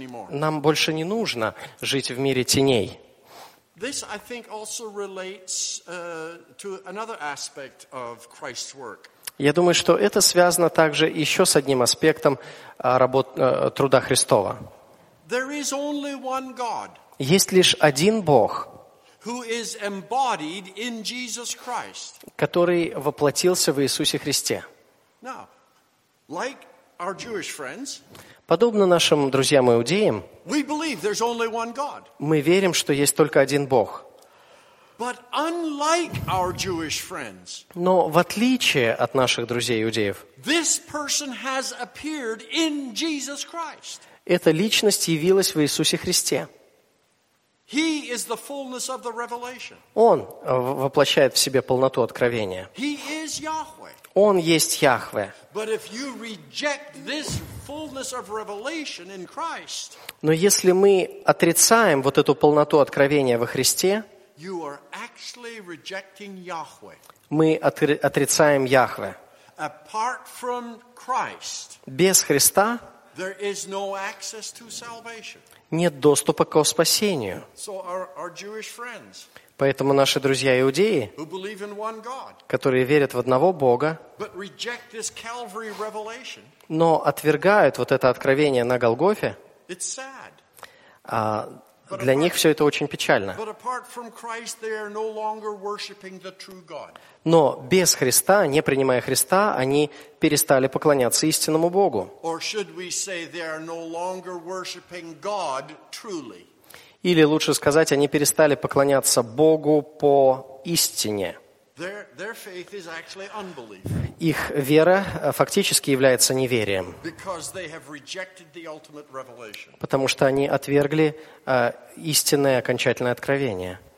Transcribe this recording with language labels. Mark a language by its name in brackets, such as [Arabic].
[Russian] Нам больше не нужно жить в мире теней. [English] This, I think, also relates, to another aspect of Christ's work. [Russian] Я думаю, что это связано также еще с одним аспектом труда Христова. [English] There is only one God. [Russian] Есть лишь один Бог. [English] Who is embodied in Jesus Christ. [Russian] Который воплотился в Иисусе Христе. [English] Now, like our Jewish friends, [Russian] подобно нашим друзьям-иудеям, [English] we believe there's only one God. [Russian] Мы верим, что есть только один Бог. [English] But unlike our Jewish friends, [Russian] но в отличие от наших друзей-иудеев, [English] this person has appeared in Jesus Christ. [Russian] Эта личность явилась в Иисусе Христе. [English] He is the fullness of the revelation. [Russian] Он воплощает в себе полноту откровения. [English] He is Yahweh. [Russian] Он есть Яхве. [English] But if you reject this fullness of revelation in Christ, [Russian] но если мы отрицаем вот эту полноту откровения во Христе, [English] you are actually rejecting Yahweh. [Russian] Мы отрицаем Яхве. [English] Apart from Christ, [Russian] без Христа, [English] there is no access to salvation. [Russian] Нет доступа к спасению. [English] So our Jewish friends, [Russian] поэтому наши друзья иудеи, [English] who believe in one God, [Russian] которые верят в одного Бога, [English] but reject this Calvary revelation, [Russian] но отвергают вот это откровение на Голгофе, [English] it's sad. [Russian] Для них все это очень печально. [English] But apart from Christ, they are no longer worshiping the true God. [Russian] Но без Христа, не принимая Христа, они перестали поклоняться истинному Богу. [English] Or should we say they are no longer worshiping God truly? [Russian] Или лучше сказать, они перестали поклоняться Богу по истине. [English] Their faith is actually unbelief. [Russian] Их вера фактически является неверием. [English] Because they have rejected the ultimate revelation. [Russian] Потому что они отвергли истинное окончательное откровение.